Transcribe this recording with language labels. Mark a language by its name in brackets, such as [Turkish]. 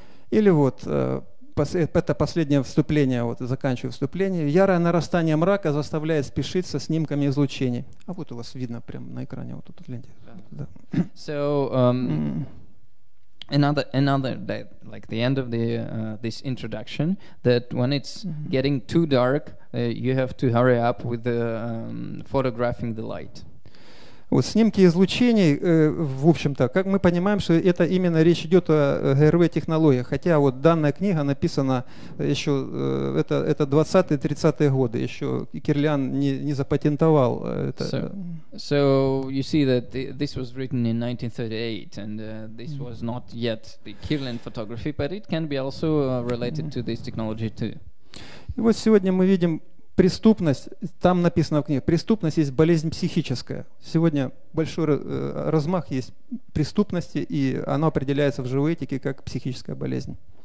[Russian] Или вот это последнее вступление, вот заканчиваю вступление. Ярое нарастание мрака заставляет спешить со снимками излучений. А вот у вас видно прямо на экране, вот тут в ленте. Да. [English] So, another day, like the end of the this introduction, that when it's getting too dark, you have to hurry up with the photographing the light. [Russian] Вот снимки излучений, в общем-то, как мы понимаем, что это именно речь идет о ГРВ-технологиях, хотя вот данная книга написана еще, это 20-30-е годы, еще Кирлиан не запатентовал это. [English] So you see that this was written in 1938, and this was not yet the Kirlian photography, but it can be also related to this technology too. [Russian] И вот сегодня мы видим, преступность, там написано в книге, преступность есть болезнь психическая. Сегодня большой размах есть преступности, и она определяется в живой этике как психическая болезнь.